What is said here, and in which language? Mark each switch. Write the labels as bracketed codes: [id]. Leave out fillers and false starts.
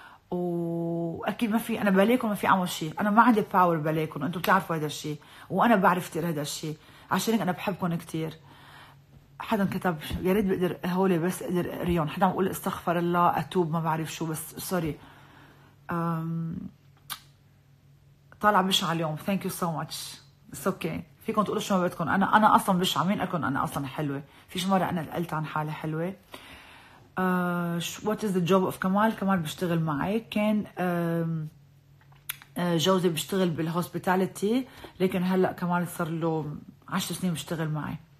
[ar] وأكيد ما في أنا بليكم ما في أعمل شيء، أنا ما عندي باور بليكم، أنتوا بتعرفوا هيدا الشيء وأنا بعرف كتير هيدا الشيء، عشان أنا بحبكم كتير. حدا كتب يا ريت بقدر هولي بس أقدر أقريهم، حدا أقول استغفر الله أتوب ما بعرف شو بس سوري. طالع بشع اليوم، [en] thank you so much it's okay. [ar] فيكم تقولوا شو ما بدكم، أنا أصلا بشع، مين أكون أنا أصلا حلوة؟ فيش مرة أنا قلت عن حالي حلوة. [en] What is the job of Kamal؟ [ar] كمال بيشتغل معي، كان جوزي بيشتغل بالhospitality لكن هلأ كمال صار له 10 سنين بيشتغل معي.